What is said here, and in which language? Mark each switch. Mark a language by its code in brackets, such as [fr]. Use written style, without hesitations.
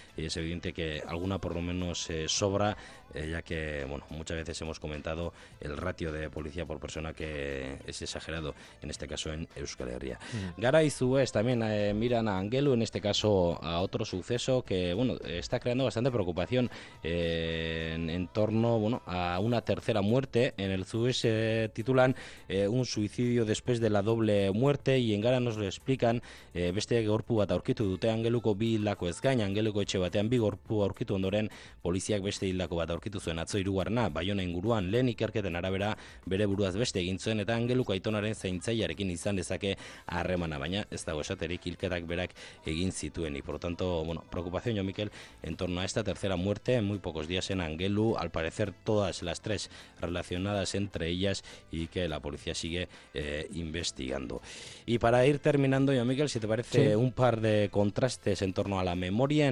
[es] Y es evidente que alguna por lo menos sobra, ya que, bueno, muchas veces hemos comentado el ratio de policía por persona que es exagerado, en este caso en Euskal Herria. Garai Zubez también miran a Angelu, en este caso a otro suceso que, bueno, está creando bastante preocupación en torno, bueno, a una tercera muerte. En el Zubez titulan un suicidio después de la doble muerte y en Gara nos lo explican [eu] beste gorpu bat aurkitu dute Angeluko bi hilako ezgain, Angeluko etxe batean bi gorpu aurkitu ondoren poliziak beste hilako bat aurkitu zuen atzo hirugarrena, Baiona inguruan. Lehen ikerketen arabera bere buruaz beste egin zuen eta Angeluko aitonaren zaintzailearekin izan dezake harremana, baina ez dago esaterik hilketak berak egin zituen. [es] Y por lo tanto, bueno, preocupación, Mikel, en torno a esta tercera muerte en muy pocos días en Angelu, al parecer todas las tres relacionadas entre ellas y que la policía sigue investigando. Y para ir terminando, yo, Miguel, si te parece, un par de contrastes en torno a la memoria.